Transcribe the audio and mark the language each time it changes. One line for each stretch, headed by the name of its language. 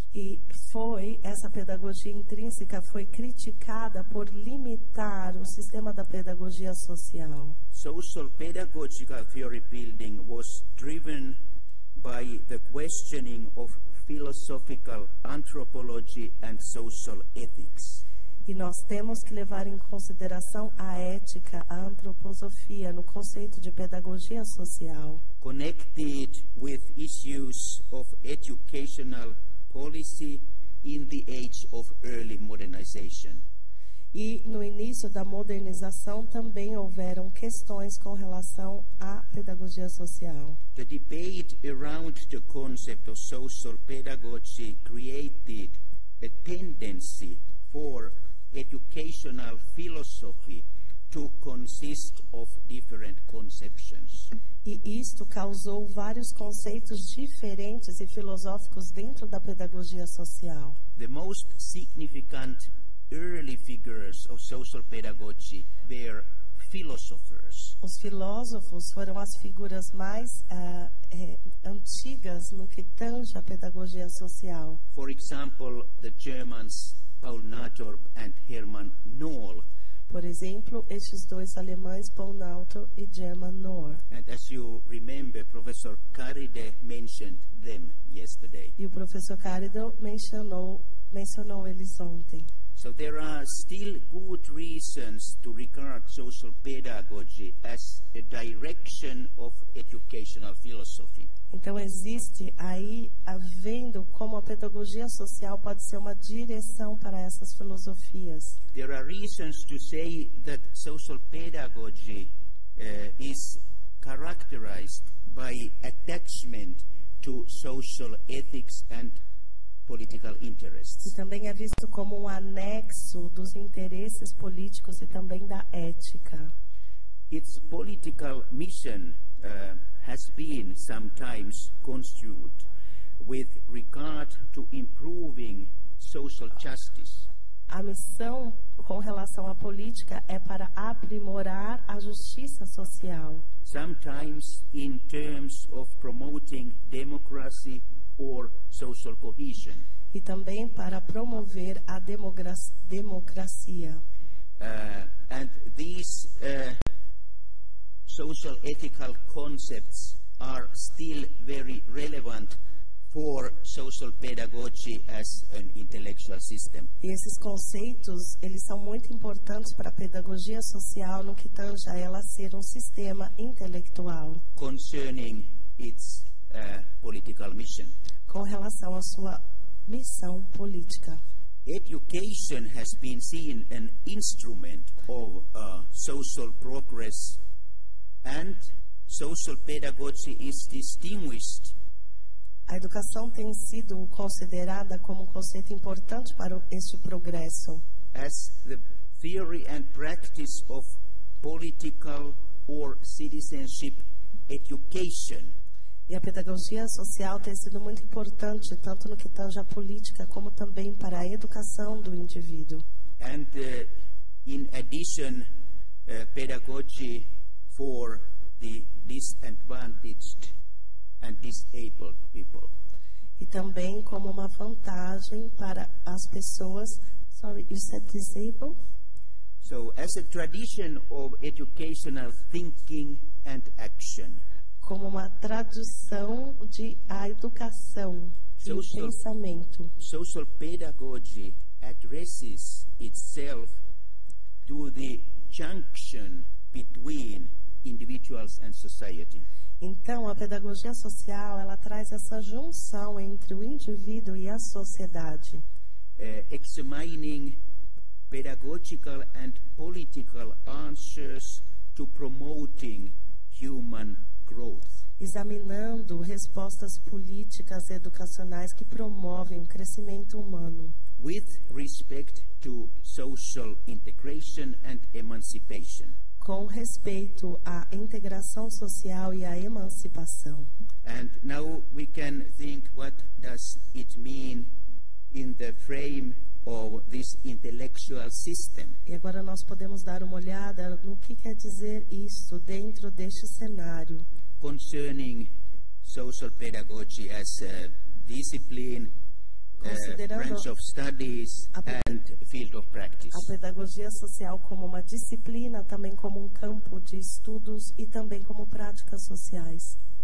Portuguese: E foi essa pedagogia intrínseca foi criticada por limitar o sistema da pedagogia social.
English: Social pedagogical theory building was driven by the questioning of philosophical anthropology and social ethics.
Portuguese: E nós temos que levar em consideração a ética, a antroposofia, no conceito de pedagogia social.
English: Connected with issues of educational policy in the age of early modernization.
Portuguese: E no início da modernização também houveram questões com relação à pedagogia social.
English: The debate around the concept of social pedagogy created a tendency for educational philosophy to consist of different conceptions.
Portuguese: E isto causou vários conceitos diferentes e filosóficos dentro da pedagogia social.
English: The most significant early figures of social pedagogy were philosophers.
Portuguese: Os filósofos foram as figuras mais antigas no que tange a pedagogia social.
English: For example, the Germans Paul Naturb and Hermann Knoll.
Portuguese: Por exemplo, estes dois alemães, Paul Naturb e German Knoll.
English: And as you remember, Professor Karide mentioned them yesterday.
Portuguese: E o professor Karide mencionou eles ontem.
English: So there are still good reasons to regard social pedagogy as a direction of educational philosophy.
Portuguese: Então existe aí havendo como a pedagogia social pode ser uma direção para essas filosofias.
English: There are reasons to say that social pedagogy is characterized by attachment to social ethics and political interests.
Portuguese: E também é visto como um anexo dos interesses políticos e também da ética.
English: Its political mission has been sometimes construed with regard to improving social justice.
Portuguese: A missão com relação à política é para aprimorar a justiça social.
English: Sometimes in terms of promoting democracy or social cohesion.
Portuguese: e também para promover a democracia.
English: And these social ethical concepts are still very relevant for social pedagogy as an intellectual system.
Portuguese: E esses conceitos, eles são muito importantes para a pedagogia social no que tange a ela ser um sistema intelectual.
English: Concerning its political mission.
Portuguese: Com relação à sua missão política.
English: Education has been seen an instrument of social progress, and social pedagogy is distinguished.
Portuguese: A educação tem sido considerada como um conceito importante para este progresso.
English: As the theory and practice of political or citizenship education.
Portuguese: E a pedagogia social tem sido muito importante, tanto no que tange à política, como também para a educação do indivíduo.
English: And in addition, pedagogy for the disadvantaged and disabled people.
Portuguese: E também como uma vantagem para as pessoas,
English: sorry, you said disabled? So, as a tradition of educational thinking and action.
Portuguese: Como uma tradução de a educação de pensamento.
English: Social pedagogy addresses itself to the junction between individuals and society.
Portuguese: Então, a pedagogia social, ela traz essa junção entre o indivíduo e a sociedade.
English: Examining pedagogical and political answers to promoting human growth.
Portuguese: Examinando respostas políticas e educacionais que promovem o crescimento humano.
English: With respect to social integration and emancipation.
Portuguese: Com respeito à integração social e à emancipação.
English: And now we can think what does it mean in the frame of this intellectual system.
Portuguese: E agora nós podemos dar uma olhada no que quer dizer isso dentro deste cenário.
English: Concerning social pedagogy as a discipline, branch of studies and field of practice.
Portuguese: A pedagogia social como uma disciplina, também como um campo de estudos e também como práticas sociais.